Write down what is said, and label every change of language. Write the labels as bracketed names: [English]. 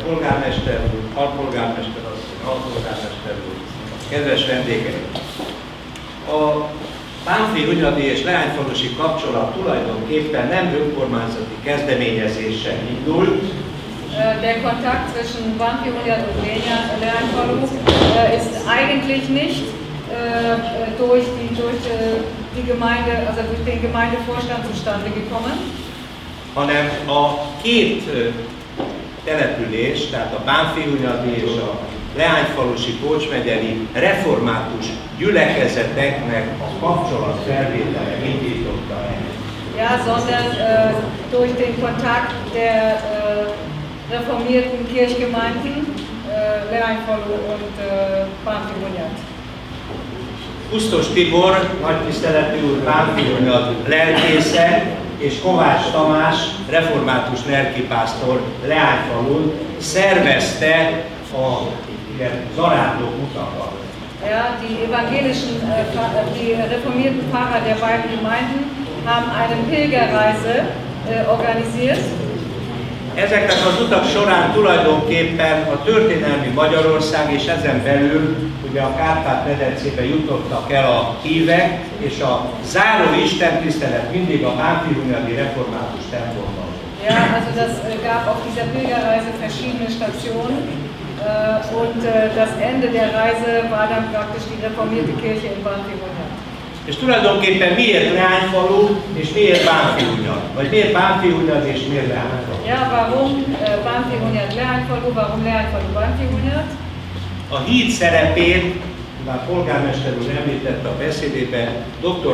[Hungarian] Polgármester úr, Alpolgármester asszony, Alpolgármester úr, kedves vendégek! A Bánffy-Hunyadi és Leányfalusi kapcsolat tulajdonképpen nem önkormányzati kezdeményezése indult, [German] der Kontakt zwischen Bánffy-Hunyad und Leányfalu ist eigentlich nicht durch die Gemeinde, also durch den Gemeindevorstand zustande gekommen. [Hungarian] Hanem a két település, tehát a Bánffy-Hunyadi és a leányfalusi Kócsmegyeli református gyülekezeteknek a kapcsolatfelvétele indította el. [German] Ja, sondern durch den Kontakt der reformierten Kirchgemeinden Leányfalu und Pánffy Hunyad. [Hungarian] Kusztos Tibor, nagy tiszteletű úr, Pánffy Hunyad lelkésze, és Kovács Tamás, református lelkipásztor Leányfalun szervezte a zarándok utakat. [German] Ja, die evangelischen, die reformierten Pfarrer der beiden Gemeinden haben eine Pilgerreise organisiert. [Hungarian] Ezeknek az utak során tulajdonképpen a történelmi Magyarország és ezen belül ugye a Kárpát-medencébe jutottak el a hívek, és a záró istentisztelet mindig a Pánffy Hunyadi református templomban. [German] Ja, also das gab auf dieser Pilgerreise verschiedene Stationen und das Ende der Reise war dann praktisch die reformierte Kirche in Pánffy Hunyad. [Hungarian] És tulajdonképpen miért Leányfalu, és miért Pánffy Hunyad? Vagy miért Pánffy Hunyad, és miért Leányfalu? [German] Ja, warum Pánffy Hunyad Leányfalu, warum Leányfalu Pánffy Hunyad? [Hungarian] A híd szerepét, már polgármester úr említette a beszédében, dr.